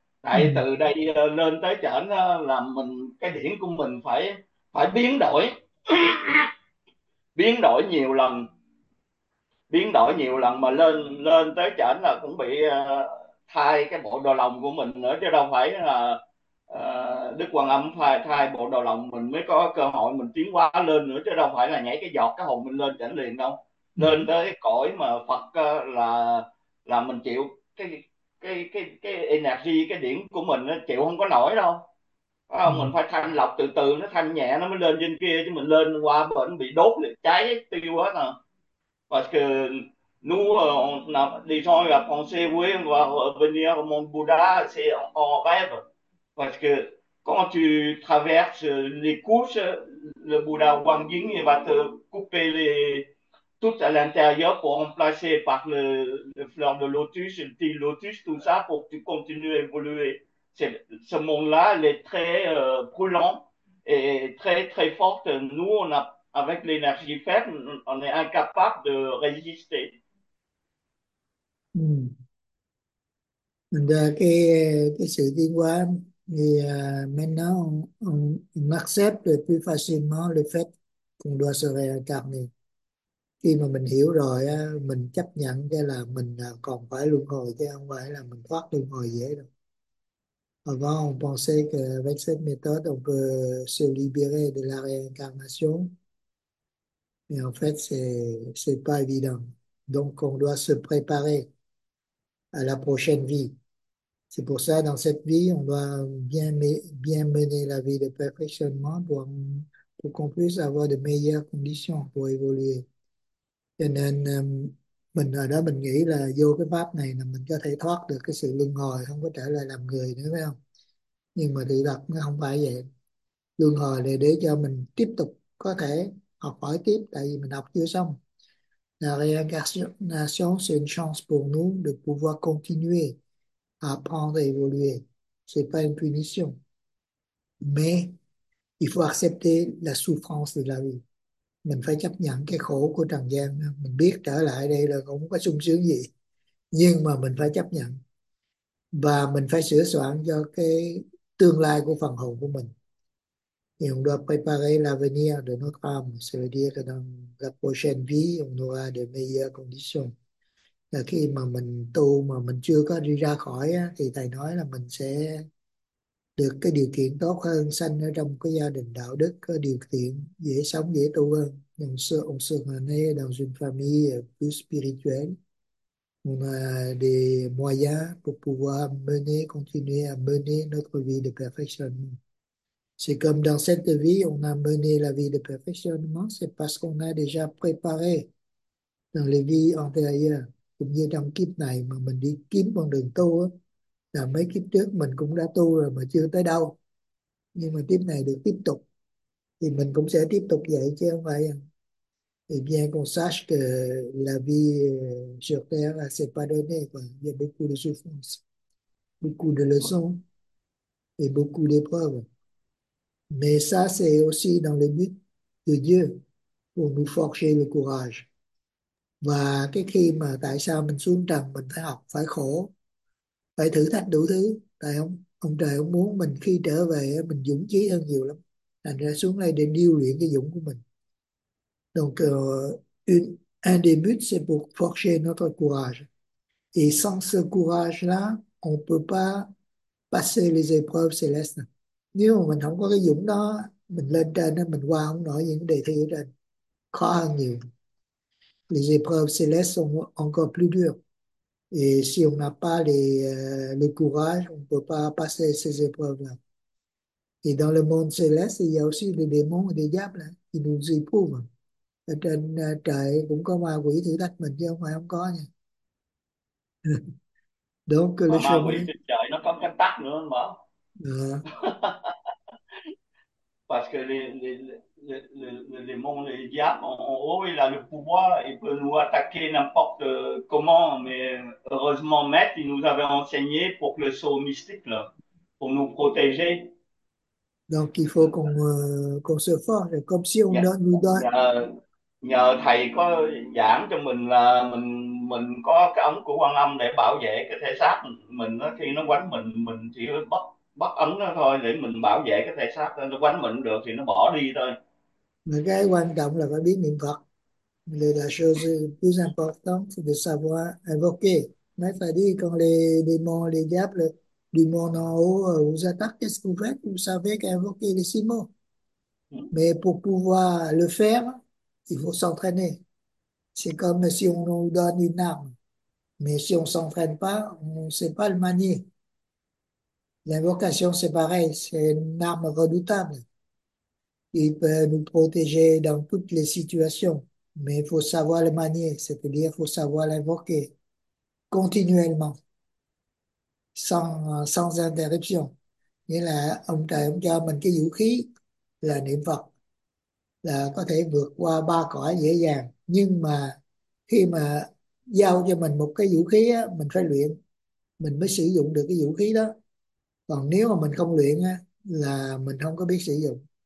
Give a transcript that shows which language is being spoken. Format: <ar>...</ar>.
<vi>Tại từ đây lên tới trển là mình cái điển của mình phải phải biến đổi biến đổi nhiều lần, biến đổi nhiều lần mà lên lên tới trển là cũng bị thay cái bộ đồ lòng của mình nữa, chứ đâu phải là Đức Quan Âm thay thay bộ đồ lòng mình mới có cơ hội mình tiến hóa lên nữa, chứ đâu phải là nhảy cái giọt cái hồn mình lên trển liền đâu. Lên tới cõi mà Phật là mình chịu cái energy, cái điển của mình nó chịu không có nổi đâu. Phải không? Mình phải thanh lọc từ từ, nó thanh nhẹ nó mới lên trên kia, chứ mình lên qua bển bị đốt liền cháy tiêu hết nè.</vi> <fr>Parce que nous disons là penser oui va revenir mon Bouddha c'est un rêve. Parce que quand tu traverses les couches, le Bouddha Quang Dinh il va te couper les tout à l'intérieur pour remplacer par le fleur de lotus, le petit lotus, tout ça pour que tu continues à évoluer. Ce monde-là, il est très brûlant et très, très fort. Nous, on a, avec l'énergie faible, on est incapable de résister.</fr> <vi>Cái sự tiến hóa thì</vi> <fr>maintenant on accepte plus facilement le fait qu'on doit se réincarner.</fr> <vi>Khi mà mình hiểu rồi mình chấp nhận cái là mình còn phải luân hồi, chứ không phải là mình thoát luân hồi dễ đâu.</vi> <fr>Avant, on pensait qu'avec cette méthode, on peut se libérer de la réincarnation. Mais en fait, c'est pas évident. Donc, on doit se préparer à la prochaine vie. C'est pour ça, dans cette vie, on doit bien mener la vie de perfectionnement pour qu'on puisse avoir de meilleures conditions pour évoluer.</fr> <vi>Cho nên, mình ở đó mình nghĩ là vô cái pháp này là mình có thể thoát được cái sự luân hồi, không có trở lại làm người nữa, phải không? Nhưng mà sự thật nó không phải vậy. Luân hồi là để cho mình tiếp tục có thể học hỏi tiếp, tại vì mình học chưa xong.</vi> <fr>La réincarnation, c'est une chance pour nous de pouvoir continuer à apprendre et évoluer. Ce n'est pas une punition. Mais Il faut accepter la souffrance de la vie.</fr> <vi>Mình phải chấp nhận cái khổ của trần gian. Mình biết trở lại đây là cũng không có sung sướng gì. Nhưng mà mình phải chấp nhận. Và mình phải sửa soạn cho cái tương lai của phần hồn của mình.</vi> <fr>Et on doit préparer l'avenir de notre âme, c'est-à-dire dans la prochaine vie, on aura de meilleures conditions.</fr> <vi>Là khi mà mình tu mà mình chưa có đi ra khỏi á, thì thầy nói là mình sẽ được cái điều kiện tốt hơn, sanh ở trong cái gia đình đạo đức, có điều kiện dễ sống, dễ tu hơn. Nhưng xưa ông sư là nay</vi> <fr>dans une famille plus spirituelle, on a des moyens pour pouvoir mener, continuer à mener notre vie de perfectionnement. C'est comme dans cette vie, on a mené la vie de perfectionnement, c'est parce qu'on a déjà préparé dans les vies antérieures,</fr> <vi>cũng như trong kiếp này mà mình đi kiếm con đường tu á, là mấy kiếp trước mình cũng đã tu rồi mà chưa tới đâu. Nhưng mà kiếp này được tiếp tục, thì mình cũng sẽ tiếp tục vậy chứ không phải.</vi> <fr>Et bien qu'on sache que la vie sur Terre, c'est pas donné, quoi. Il y a beaucoup de souffrances, beaucoup de leçons et beaucoup d'épreuves. Mais ça, c'est aussi dans le but de Dieu pour nous forger le courage.</fr> <vi>Và cái khi mà tại sao mình xuống trần, mình phải học, phải khổ, phải thử thách đủ thứ. Tại ông trời ông muốn mình khi trở về mình dũng chí hơn nhiều lắm. Thành ra xuống đây để điêu luyện cái dũng của mình.</vi> <fr>Donc, un des buts, c'est pour forger notre courage. Et sans ce courage-là, on ne peut pas passer les épreuves célestes.</fr> <vi>Nếu mà mình không có cái dũng đó, mình lên trên đó, mình qua không nổi những đề thi ở trên. Khó hơn nhiều.</vi> <fr>Les épreuves célestes sont encore plus dures. Et si on n'a pas le courage, on ne peut pas passer ces épreuves-là. Et dans le monde céleste, il y a aussi des démons et des diables hein, qui nous éprouvent.</fr> <vi>Ở trên trời cũng có ma quỷ thử thách mình, chứ không phải không có nha.</vi> <fr>Donc, le</fr> <vi>Mà ma quỷ</vi> <fr>chemin...</fr> <vi>trên trời nó có cái tắc nữa</vi> <fr>parce que les démons, les diables ont il a le pouvoir, il peut nous attaquer n'importe comment, mais heureusement Maître, il nous avait enseigné pour que le sceau mystique là, pour nous protéger. Donc il faut qu'on se forge comme si on donne, nous donne.</fr> <vi>Nhờ thầy có giảng cho mình là mình có cái ống của Quan Âm để bảo vệ cái thể xác mình, nó khi nó quánh mình chỉ bắt bắt ấn nó thôi để mình bảo vệ cái thể xác, nó quánh mình được thì nó bỏ đi thôi. Mà cái quan trọng là phải biết niệm Phật.</vi> <fr>Là chose plus importante, c'est de savoir invoquer. Mais</fr> <vi>phải đi,</vi> <fr>quand les démons, les diables, du monde en haut, vous attaquent, qu'est-ce que vous faites? Vous savez qu'invoquer les six mots. Mais pour pouvoir le faire, il faut s'entraîner. C'est comme si on nous donne une arme. Mais si on ne s'entraîne pas, on ne sait pas le manier. L'invocation, c'est pareil, c'est une arme redoutable. Il peut nous protéger dans toutes les situations, mais il faut savoir le manier, c'est-à-dire faut savoir l'invoquer continuellement, sans interruption.</fr> <vi>Nghĩa là ông trời ông cho mình cái vũ khí là niệm Phật, là có thể vượt qua ba cõi dễ dàng. Nhưng mà khi mà giao cho mình một cái vũ khí á, mình phải luyện, mình mới sử dụng được cái vũ khí đó. Còn nếu mà mình không luyện á, là mình không có biết sử dụng.</vi>